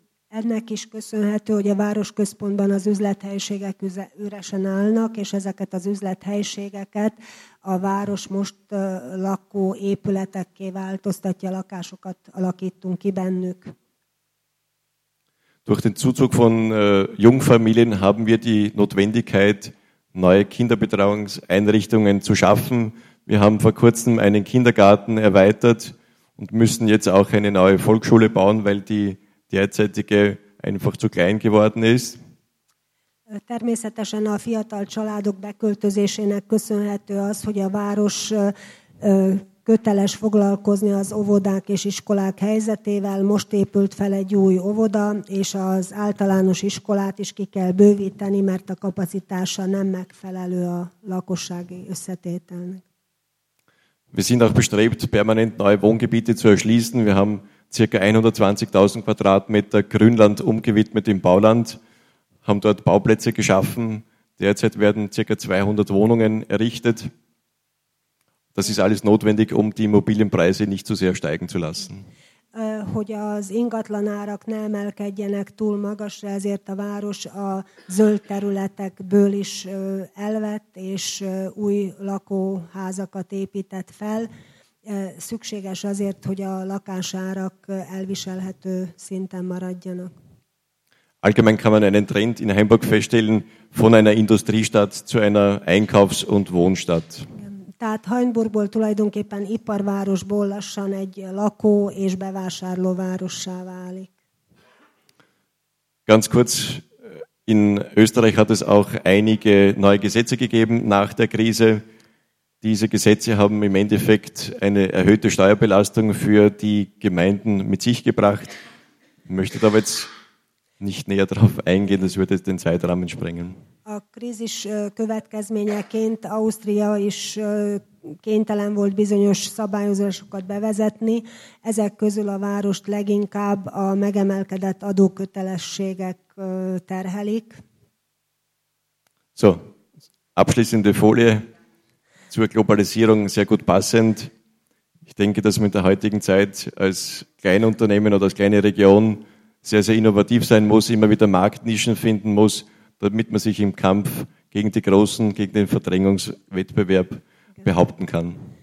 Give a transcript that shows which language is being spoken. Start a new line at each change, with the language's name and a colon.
Hungarian: Ennek is köszönhető, hogy a városközpontban az üzlethelyiségek üresen állnak, és ezeket az üzlethelyiségeket a város most lakó épületekké változtatja, lakásokat alakítunk ki bennük.
German: Durch den Zuzug von Jungfamilien haben wir die Notwendigkeit, neue Kinderbetreuungseinrichtungen zu schaffen. Wir haben vor kurzem einen Kindergarten erweitert und müssen jetzt auch eine neue Volksschule bauen, weil die derzeitige einfach zu klein geworden ist.
Hungarian: Természetesen a fiatal családok beköltözésének köszönhető az, hogy a város köteles foglalkozni az óvodák és iskolák helyzetével. Most épült fel egy új óvoda, és az általános iskolát is ki kell bővíteni, mert a kapacitása nem megfelelő a lakossági összetételnek.
German: Wir sind auch bestrebt, permanent neue Wohngebiete zu erschließen. Wir haben ca. 120.000 Quadratmeter Grünland umgewidmet im Bauland, haben dort Bauplätze geschaffen. Derzeit werden ca. 200 Wohnungen errichtet. Das ist alles notwendig, um die Immobilienpreise nicht zu sehr steigen zu lassen.
Hungarian: Hogy az ingatlanárak ne emelkedjenek túl magasra, ezért a város a zöld területekből is elvett, és új lakóházakat épített fel. Szükséges azért, hogy a lakásárak elviselhető szinten maradjanak.
German: Allgemein kann man einen Trend in Hamburg feststellen, von einer Industriestadt zu einer Einkaufs- und Wohnstadt.
Hungarian: Tehát Hainburgból tulajdonképpen iparvárosból lassan egy lakó- és bevásárlóvárossá válik.
German: Ganz kurz, in Österreich hat es auch einige neue Gesetze gegeben nach der Krise. Diese Gesetze haben im Endeffekt eine erhöhte Steuerbelastung für die Gemeinden mit sich gebracht. Ich möchte da jetzt nicht näher darauf eingehen, das würde den Zeitrahmen sprengen.
Hungarian: A krízis következményeként Ausztria is kénytelen volt bizonyos szabályozásokat bevezetni. Ezek közül a várost leginkább a megemelkedett adókötelességek terhelik.
German: So, abschließende Folie zur Globalisierung, sehr gut passend. Ich denke, dass man in der heutigen Zeit als Kleinunternehmen oder als kleine Region sehr, sehr innovativ sein muss, immer wieder Marktnischen finden muss, damit man sich im Kampf gegen die Großen, gegen den Verdrängungswettbewerb behaupten kann.